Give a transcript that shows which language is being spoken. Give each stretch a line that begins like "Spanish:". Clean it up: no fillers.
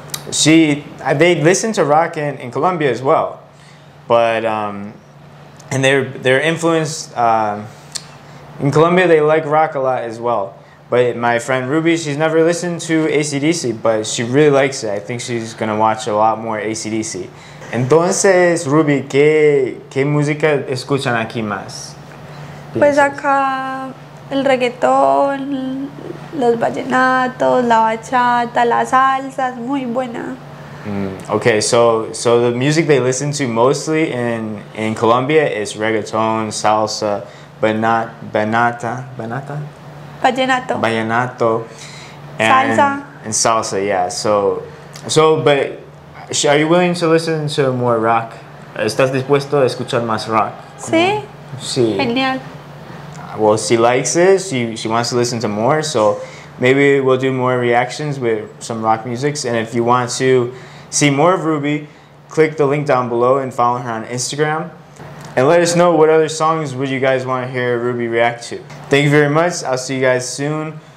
English: They listen to rock in Colombia as well, but and they're influenced in Colombia. They like rock a lot as well. But my friend Ruby, she's never listened to AC/DC, but she really likes it. I think she's gonna watch a lot more AC/DC.
Spanish: Entonces, Ruby, qué música escuchan aquí más? Pues acá el reggaetón, los vallenatos, la bachata, la salsa, es muy buena.
English: Okay, so the music they listen to mostly in Colombia is reggaeton, salsa, banata?
Spanish: Vallenato. Vallenato. Salsa.
English: And salsa, yeah. So, but are you willing to listen to more rock?
Spanish: ¿Estás dispuesto a escuchar más rock? Sí. Sí. Genial.
English: Well, she likes it. She wants to listen to more. So maybe we'll do more reactions with some rock music. And if you want to see more of Ruby, click the link down below and follow her on Instagram. And let us know what other songs would you guys want to hear Ruby react to. Thank you very much. I'll see you guys soon.